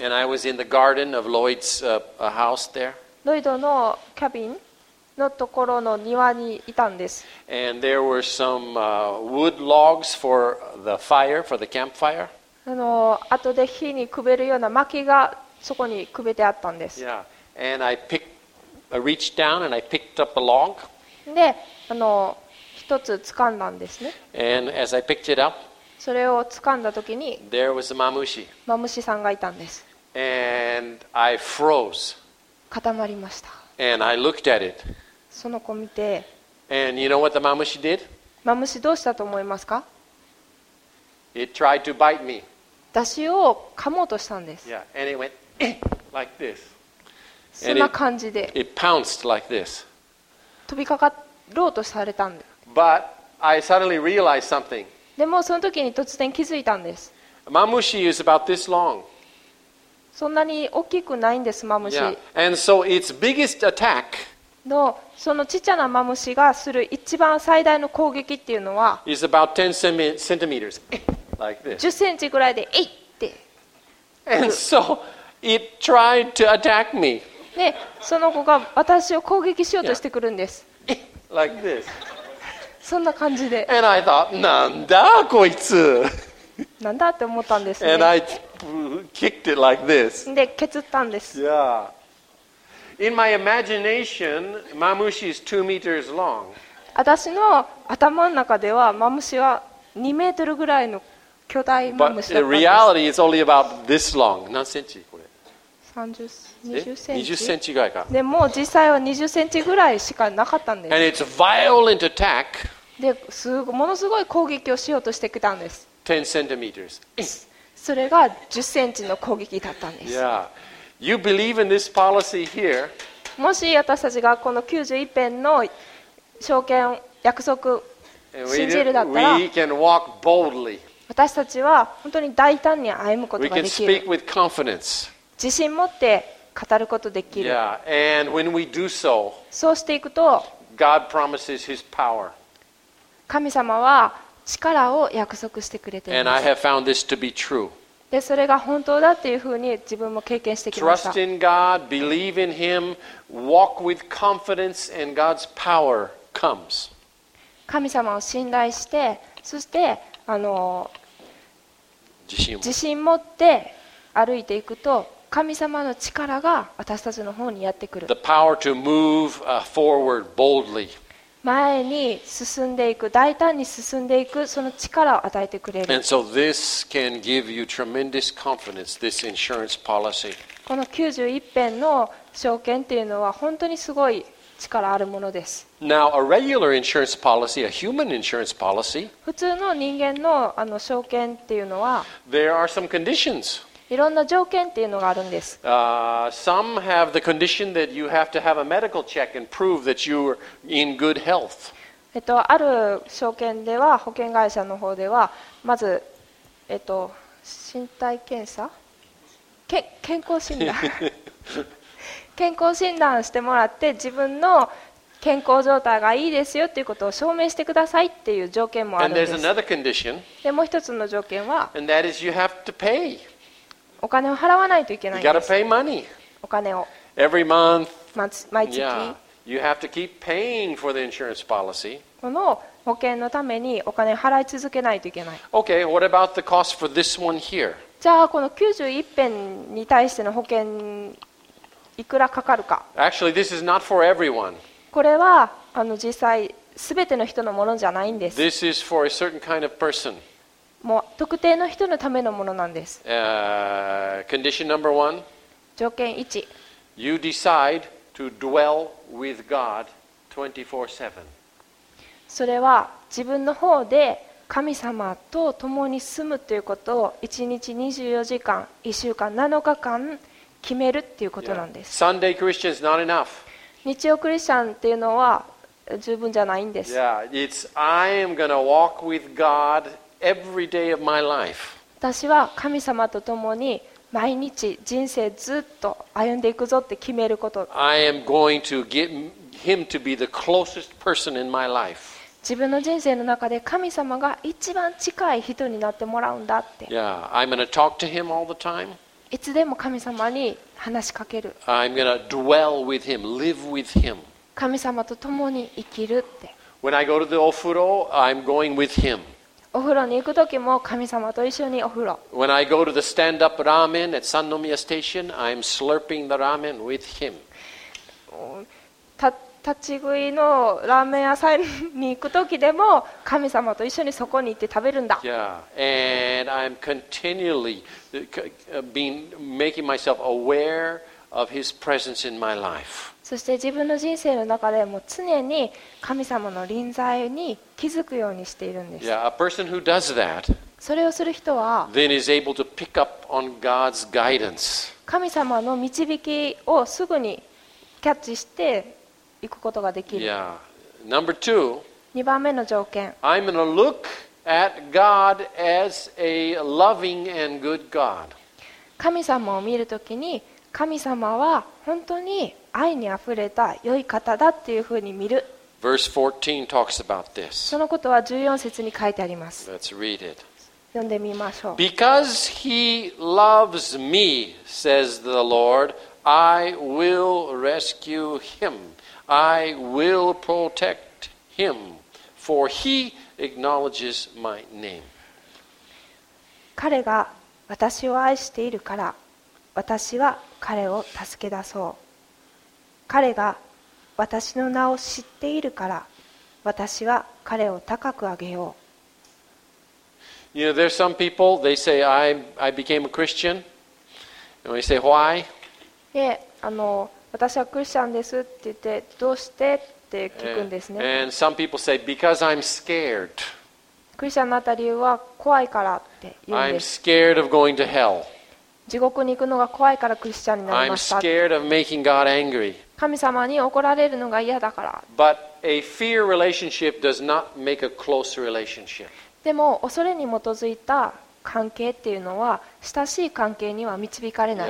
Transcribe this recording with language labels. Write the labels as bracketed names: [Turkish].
[English] And I was in the garden of Lloyd's house there. [Japanese] ロイドのキャビンのところの庭にいたんです。 [English] And there were some wood logs for the fire, for the campfire. [Japanese] 後で火にくべるような薪がそこにくべてあったんです。 [English] Yeah. And I picked, I reached down and I picked up a log. [Japanese] で、一つ掴んだんですね。 [English] And as I picked it up, [Japanese] それを掴んだ時に、 [English] there was a mamushi. [Japanese] マムシさんがいたんです。 [English] And I froze. [Japanese] 固まりました。 [English] And I looked at it. [Japanese] その子見て、 [English] And you know what the mamushi did? [Japanese] マムシどうしたと思いますか？ [English] It tried to bite me. [Japanese] 私を噛もうとしたんです。 [English] Yeah, and it went like this. [Japanese] そんな感じで。 [English] It pounced like this. [Japanese] 飛びかかろうとされたんです。 [English] But I suddenly realized something. [Japanese] でもその時に突然気づいたんです。 [English] マムシ is about this long. [Japanese] そんなに大きくないんです、マムシ。 [English] Yeah, and so its biggest attack. [Japanese] のそのちっちゃなマムシがする一番最大の攻撃っていうのは。 [English] Is about 10 centimeters. [Japanese] 10センチぐらいでえいって。 [English] And so it tried to attack me. [Japanese] で、その子が私を攻撃しようとしてくるんです。 [English] Yeah. Like this. [Japanese] そんな感じで。 [English] And I thought, [Japanese] なんだこいつ。なんだって思ったんですね。 [English] And I kicked it like this. [Japanese] で、蹴ったんです。 [English] Yeah. In my imagination, mamushi is 2 meters long. [Japanese] 私の頭の中ではマムシは2メートルぐらいの巨大マムシだったんです。 [English] But in reality, it's only about this long. [Japanese] 何センチこれ？ 20センチぐらいか。でも実際は20センチぐらいしかなかったんです。 [English] And it's a violent attack. [Japanese] で、ものすごい攻撃をしようとしてきたんです。 [English] 10 centimeters. [Japanese] それが10センチの攻撃だったんです。 [English] Yeah. You believe in this policy here. [Japanese] もし私たちがこの91編の証券約束信じるだったら、 [English] we can walk boldly. [Japanese] 私たちは本当に大胆に歩むことができる。 [English] We can speak with confidence. [Japanese] 自信持って語ることができる。 [English] Yeah. And when we do so, [Japanese] そうしていくと、 [English] God promises His power. [Japanese] 神様は力を約束してくれています。 [English] And I have found this to be true. [Japanese] で、それが本当だっていうふうに自分も経験してきました。 [English] Trust in God, believe in Him, walk with confidence, and God's power comes. [Japanese] 神様を信頼して、そして自信持って歩いていくと、神様の力が私たちの方にやってくる。 [English] The power to move forward boldly. [Japanese] 前に進んでいく、大胆に進んでいく、その力を与えてくれる。 [English] And so this can give you tremendous confidence, this insurance policy. [Japanese] この91編の証券っていうのは本当にすごい力あるものです。 [English] Now, a regular insurance policy, a human insurance policy, [Japanese] 普通の人間の、証券っていうのは、 [English] there are some conditions. [Japanese] いろんな条件っていうのがあるんです。 [English] Some have the condition that you have to have a medical check and prove that you're in good health. [Japanese] ある証券では、保険会社の方では、まず、身体検査？健康診断。健康診断してもらって自分の健康状態がいいですよということを証明してくださいっていう条件もあるんです。でもう一つの条件は、 [English] And that is you have to pay. [Japanese] お金を払わないといけないんです。 [English] You gotta pay money. [Japanese] お金を。 [English] Every month, [Japanese] 毎月。 [English] Yeah, you have to keep paying for the insurance policy. [Japanese] この保険のためにお金を払い続けないといけない。 [English] Okay, what about the cost for this one here? [Japanese] じゃあこの91編に対しての保険いくらかかるか。 [English] Actually, this is not for everyone. [Japanese] これは実際すべての人のものじゃないんです。 [English] This is for a certain kind of person. [Japanese] もう特定の人のためのものなんです。 [English] Condition number one. [Japanese] 条件一。 [English] You decide to dwell with God 24/7. [Japanese] それは自分の方で神様と共に住むということを1日24時間、1週間、7日間決めるっていうことなんです。 [English] Yeah. Sunday Christian is not enough. [Japanese] 日曜クリスチャンっていうのは十分じゃないんです。 [English] Yeah. It's I am gonna walk with God every day of my life. [Japanese] 私は神様と共に毎日人生ずっと歩んでいくぞって決めること。 [English] I am going to get him to be the closest person in my life. [Japanese] 自分の人生の中で神様が一番近い人になってもらうんだって。 [English] Yeah. I'm gonna talk to him all the time. [Japanese] いつでも神様に話しかける。 [English] I'm gonna dwell with him, live with him. [Japanese] 神様と共に生きるって。 [English] When I go to the ofuro, I'm going with him. [Japanese] お風呂に行くときも神様と一緒にお風呂。 [English] When I go to the stand-up ramen at Sannomiya Station, I'm slurping the ramen with him. [Japanese] 立ち食いのラーメン屋さんに行くときでも神様と一緒にそこに行って食べるんだ。 [English] Yeah, and I'm continually being making myself aware of His presence in my life. [Japanese] そして自分の人生の中でも常に神様の臨在に気づくようにしているんです。 [English] Yeah, a person who does that, [Japanese] それをする人は、 [English] then is able to pick up on God's guidance. [Japanese] 神様の導きをすぐにキャッチして行くことができる。 [English] Yeah. Number two, [Japanese] 2番目の条件。 [English] I'm going to look at God as a loving and good God. [Japanese] 神様を見るときに、神様は本当に愛にあふれた良い方だっていうふうに見る。 [English] Verse 14 talks about this. [Japanese] そのことは14節に書いてあります。 [English] Let's read it. [Japanese] 読んでみましょう。 [English] Because he loves me, says the Lord, I will rescue him. I will protect him, for he acknowledges my name. [Japanese] 彼が私を愛しているから、私は彼を助け出そう。彼が私の名を知っているから、私は彼を高く上げよう。 [English] You know, there's some people, they say, I became a Christian. And we say, why? [Japanese] Yeah, 私はクリスチャンですって言ってどうしてって聞くんですね。 [English] And some people say, because I'm scared. [Japanese] クリスチャンになった理由は怖いからって言うんです。 [English] I'm scared of going to hell. [Japanese] 地獄に行くのが怖いからクリスチャンになりました。 [English] I'm scared of making God angry. [Japanese] 神様に怒られるのが嫌だから。 [English] But a fear relationship does not make a close relationship. [Japanese] でも恐れに基づいた関係っていうのは親しい関係には導かれない。